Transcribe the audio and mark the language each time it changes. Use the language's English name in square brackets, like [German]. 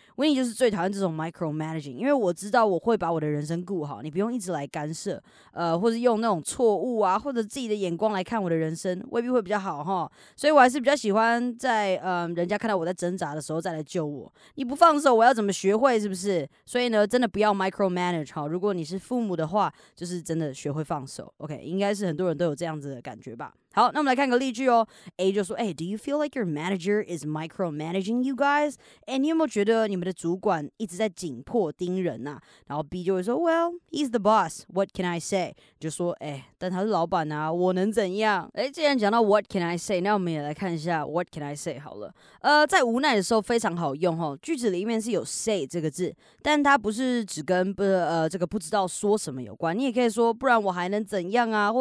[Chinese] Winnie 就是最讨厌这种 micromanaging， 因为我知道我会把我的人生顾好，你不用一直来干涉，或是用那种错误啊或者自己的眼光来看我的人生，未必会比较好齁。所以我还是比较喜欢在人家看到我在挣扎的时候再来救我。你不放手我要怎么学会，是不是？所以呢，真的不要 micromanage。好，如果你是父母的话，就是真的学会放手。OK， 应该是很多人都有这样子的感觉吧。好，那我们来看个例句哦。 [English] A [Chinese] 就说：“哎、 [English] hey, ，Do you feel like your manager is micromanaging you guys？” [Chinese] 哎，你有没有觉得你们的主管一直在紧迫盯人呐、啊？然后 B 就会说 [English] ：“Well, he's the boss. What can I say？” [Chinese] 就说：“哎、欸，但他是老板啊，我能怎样？” 哎，既然讲到 [English] “What can I say”， [Chinese] 那我们也来看一下 “What can I say” 好了。在无奈的时候非常好用哦。句子里面是有 “say” 这个字，但它不是只跟这个不知道说什么有关。你也可以说：“不然我还能怎样啊？”